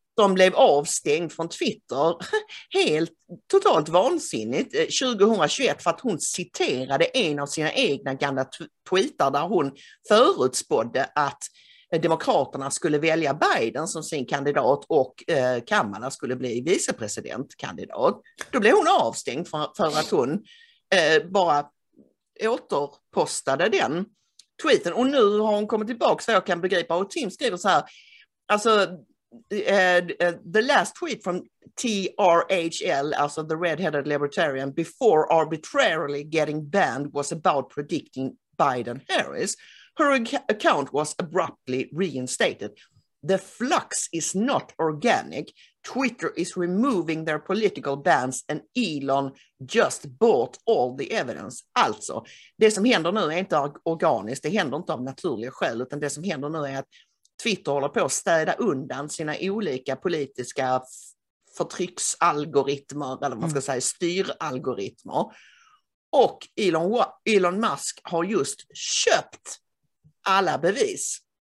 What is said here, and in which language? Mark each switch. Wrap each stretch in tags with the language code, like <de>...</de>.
<sv>De blev avstängd från Twitter helt totalt vansinnigt 2021 för att hon citerade en av sina egna gamla tweetar där hon förutspådde att demokraterna skulle välja Biden som sin kandidat och Kamala skulle bli vicepresidentkandidat. Då blev hon avstängd för att hon bara återpostade den tweeten. Och nu har hon kommit tillbaka, så jag kan begripa, och Tim skriver så här, alltså</sv> <en>The last tweet from TRHL, alltså the red-headed libertarian, before arbitrarily getting banned was about predicting Biden-Harris. Her account was abruptly reinstated. The flux is not organic. Twitter is removing their political bans and Elon just bought all the evidence.</en> <sv>Alltså, det som händer nu är inte organiskt, det händer inte av naturliga skäl, utan det som händer nu är att Twitter håller på att städa undan sina olika politiska förtrycksalgoritmer, eller man ska säga styralgoritmer. Och Elon Musk har just köpt alla bevis.</sv>